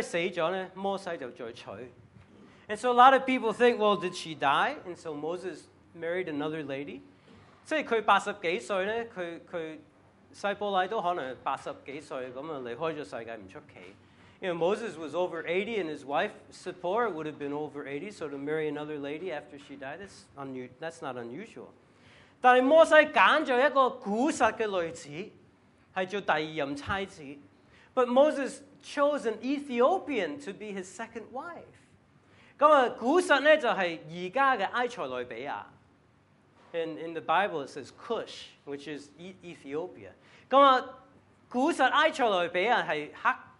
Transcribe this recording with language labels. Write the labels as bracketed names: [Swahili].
[Chinese] 于是很多人想着，西波拉是不是死了？因为死了，摩西就再娶。 [English] And so a lot of people think, well, did she die? And so Moses married another lady. [Chinese] 即是他80几岁，西波拉都可能80几岁，离开了世界不出奇。 [English] You know, Moses was over 80 and his wife, Zipporah, would have been over 80. So to marry another lady after she died, that's not unusual. [Chinese] 但是摩西选了一个古实的女子，是做第二任妻子。 [English] But Moses chose an Ethiopian to be his second wife. [Chinese] 那么古实呢，就是现在的埃塞俄比亚。 [English] In the Bible, it says Cush, which is Ethiopia. [Chinese] 那么古实埃塞俄比亚是黑。